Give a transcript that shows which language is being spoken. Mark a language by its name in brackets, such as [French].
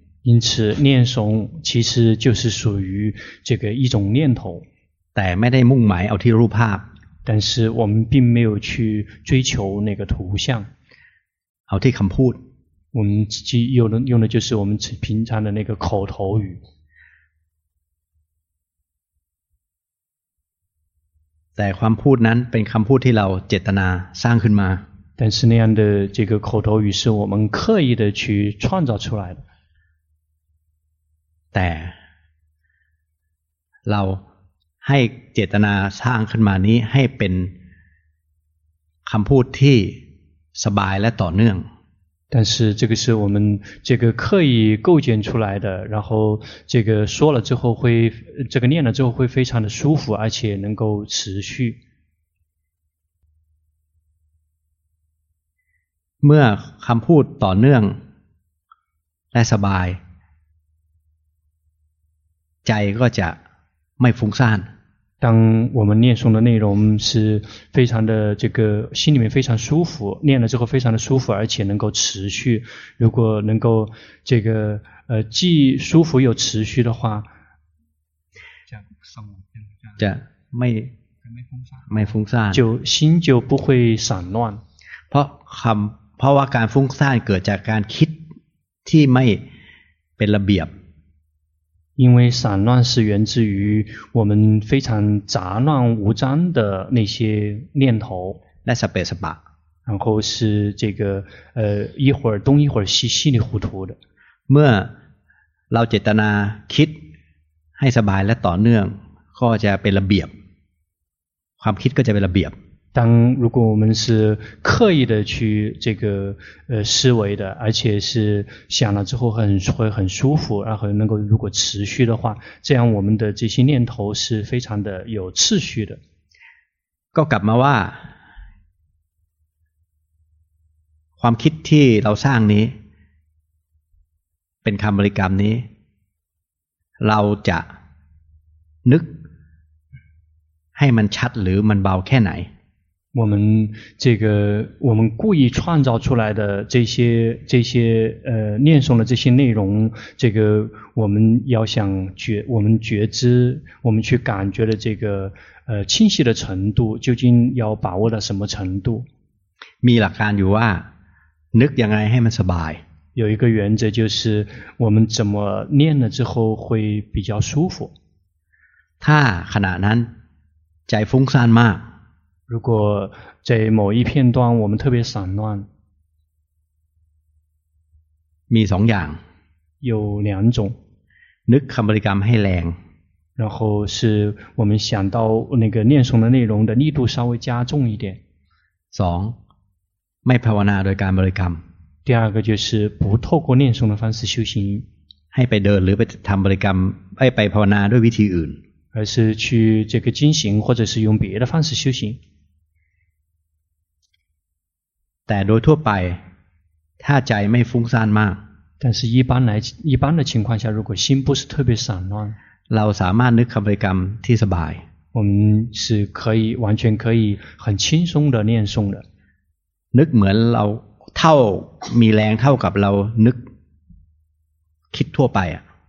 [Chinese] 因此念诵其实就是属于这个一种念头 [Thai] แต่ไม่ได้มุ่งหมายเอาที่รูปภาพ [Chinese] 但是我们并没有去追求那个图像 [Thai] เอาที่คำพูด [Chinese] 我们其用的就是我们平常的那个口头语 [Thai] แต่ความพูดนั้นเป็นคำพูดที่เราเจตนาสร้างขึ้นมา [Chinese] 但是那样的这个口头语是我们刻意的去创造出来的 [Thai] แต่เราให้เจตนาสร้างขึ้นมานี้ให้เป็นคำพูดที่สบายและต่อเนื่อง [Chinese] 但是这个是我们这个刻意构建出来的，然后这个说了之后会，这个念了之后会非常的舒服，而且能够持续。 [Thai] เมื่อคำพูดต่อเนื่องและสบายใจก็จะไม่ฟุ้งซ่าน [Chinese] 当我们念诵的内容是非常的这个心里面非常舒服，念了之后非常的舒服，而且能够持续。如果能够这个既舒服又持续的话，就没风散，就心就不会散乱。 [Thai] เพราะการฟุ้งซ่านเกิดจากการคิดที่ไม่เป็นระเบียบ [Chinese] 因为散乱是源自于我们非常杂乱无章的那些念头，然后是这个一会儿东一会儿西，稀里糊涂的。 [Thai] เมื่อเราเจตนาคิดให้สบายและต่อเนื่องก็จะเป็นระเบียบความคิดก็จะเป็นระเบียบ [Chinese] 当如果我们是刻意的去这个思维的，而且是想了之后会很舒服，然后能够如果持续的话，这样我们的这些念头是非常的有次序的。 [Thai] ก็กลับมาว่าความคิดที่เราสร้างนี้เป็นคำบริกรรมนี้เราจะนึกให้มันชัดหรือมันเบาแค่ไหน เรา [Chinese] 故意创造出来的这些念诵的这些内容，这个我们要想觉，我们觉知，我们去感觉的这个清晰的程度，究竟要把握到什么程度？ [Thai] มีหลักการอยู่ว่านึกยังไงให้มันสบาย。 [Chinese] 有一个原则就是我们怎么念了之后会比较舒服。 [Thai] ถ้าขณะนั้นใจฟุ้งซ่านมาก。 [Chinese] 如果在某一片段我们特别散乱， [Thai] มี2อย่าง， [Chinese] 有两种， [Thai] นึกคำบริกรรมให้แรง， [Chinese] 然后是我们想到那个念诵的内容的力度稍微加重一点， [Thai] 2，ไม่ภาวนาโดยการบริกรรม， [Chinese] 第二个就是不透过念诵的方式修行， [Thai] ให้ไปเดินหรือไปทำบริกรรมไปภาวนาด้วยวิธีอื่น。 [Chinese] 而是去这个进行或者是用别的方式修行。 [Thai] แต่โดยทั่วไปถ้าใจไม่ฟุ้งซ่านมาก [Chinese] 但是一般的情况下如果心不是特别散乱 [Thai] เราสามารถนึกคำบริกรรมที่สบาย [Chinese] 我们是可以完全可以很轻松的念诵的 [Thai] นึกเหมือนเราเท่ามีแรงเท่ากับเรานึกคิดทั่วไปอ่ะ